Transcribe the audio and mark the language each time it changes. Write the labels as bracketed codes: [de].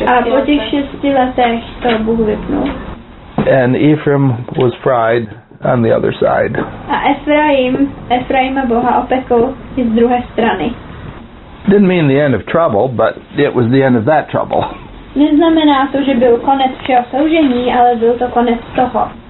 [cs] A po těch šesti letech to Bůh vypnul. [en] And Ephraim was fried on the other side. [cs] A Ephraima Boha opekl z druhé strany. [en] Didn't mean the end of trouble, but it was the end of that trouble. [cs] Neznamená to, že byl konec všeho soužení, ale byl to konec toho.